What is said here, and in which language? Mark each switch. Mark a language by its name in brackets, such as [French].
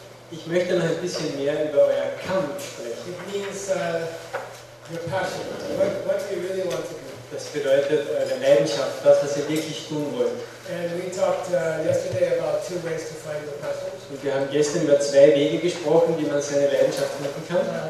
[German] Ich möchte noch ein bisschen mehr über euer Kampf sprechen. [English] It means your passion. What do you really want to do? [German] Das bedeutet eure Leidenschaft, das, was ihr wirklich tun wollt. [English] And we talked yesterday about two ways to find your passion. [German] Und wir haben gestern über zwei Wege gesprochen, wie man seine Leidenschaft finden kann.